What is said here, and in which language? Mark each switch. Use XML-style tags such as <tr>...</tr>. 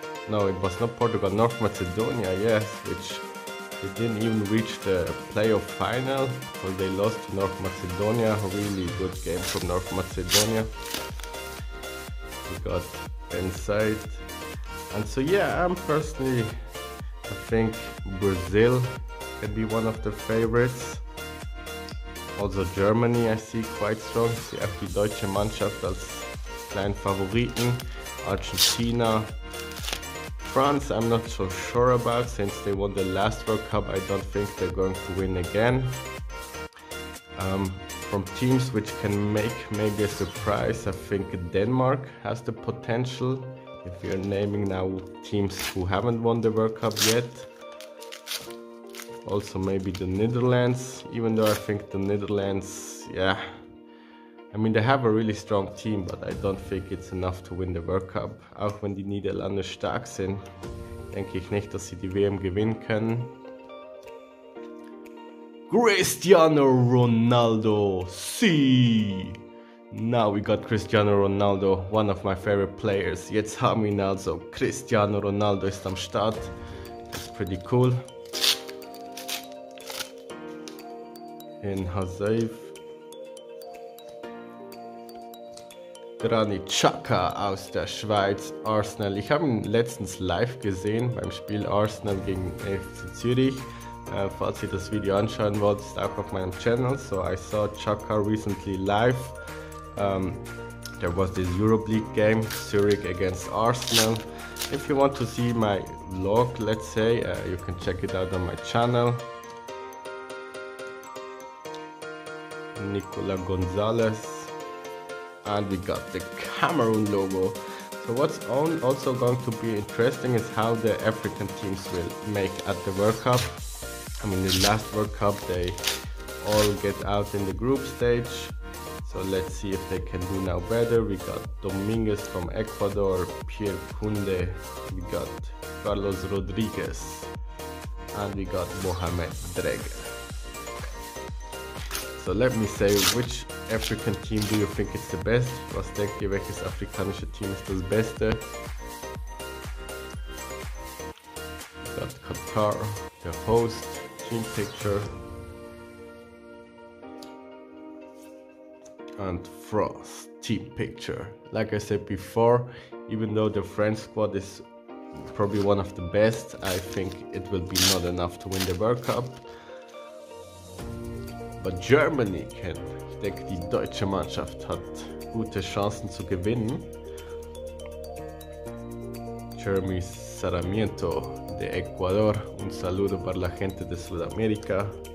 <en>No, it was not Portugal, North Macedonia, yes, which they didn't even reach the playoff final because they lost to North Macedonia. Really good game from North Macedonia. We got inside, and so yeah, I think Brazil can be one of the favorites. Also Germany I see quite strong.</en> <de>Sie haben die deutsche Mannschaft als kleinen Favoriten.</de> <en>Argentina, France I'm not so sure about, since they won the last World Cup. I don't think they're going to win again. From teams which can make maybe a surprise, I think Denmark has the potential. If you're naming now teams who haven't won the World Cup yet. Also maybe the Netherlands, even though I think the Netherlands, yeah. I mean, they have a really strong team, but I don't think it's enough to win the World Cup.</en> <de>Auch wenn die Niederlande stark sind, denke ich nicht, dass sie die WM gewinnen können.</de> <en>Cristiano Ronaldo, see! Now we got Cristiano Ronaldo, one of my favorite players.</en> <de>Jetzt haben wir ihn also. Cristiano Ronaldo ist am Start.</de> <en>It's pretty cool. In Hazev.</en> <de>Granit Xhaka aus der Schweiz, Arsenal. Ich habe ihn letztens live gesehen beim Spiel Arsenal gegen FC Zürich. Falls ihr das Video anschauen wollt, ist auch auf meinem Channel.</de> <en>So I saw Xhaka recently live. There was this Europa League game, Zurich against Arsenal. If you want to see my vlog, let's say, you can check it out on my channel. Nicola Gonzalez. And we got the Cameroon logo. So what's also going to be interesting is how the African teams will make at the World Cup. I mean, the last World Cup, they all get out in the group stage. So let's see if they can do now better. We got Dominguez from Ecuador, Pierre Kunde, we got Carlos Rodriguez, and we got Mohamed Dreger. So let me say, which African team do you think is the best?</en> <de>Was denkt ihr, welches afrikanische Team ist das Beste?</de> <en>We got Qatar, the host. Team picture and Frost team picture. Like I said before, even though the French squad is probably one of the best, I think it will be not enough to win the World Cup. But Germany can.</en> <de>Ich denke, die deutsche Mannschaft hat gute Chancen zu gewinnen.</de> <es>Jeremy Sarmiento de Ecuador, un saludo para la gente de Sudamérica.</es>